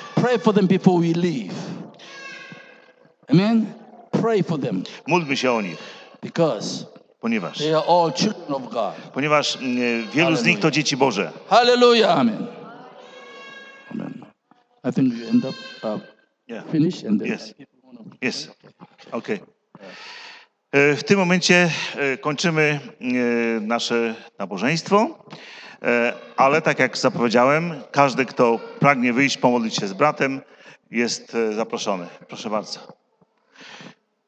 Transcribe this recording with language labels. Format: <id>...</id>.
<en>Pray for them before we leave. Amen. Pray for them.</en> <pl>Módlmy się o nich.</pl> <en>Because</en> <pl>ponieważ</pl> <en>they are all children of God.</en> <pl>Ponieważ wielu Hallelujah. Z nich to dzieci Boże.</pl> <en>Hallelujah. Amen. Amen. I think you end up finish and then yes. Yes. Okay.</en> <pl>W tym momencie kończymy nasze nabożeństwo, ale tak jak zapowiedziałem, każdy, kto pragnie wyjść pomodlić się z bratem, jest zaproszony. Proszę bardzo.</pl>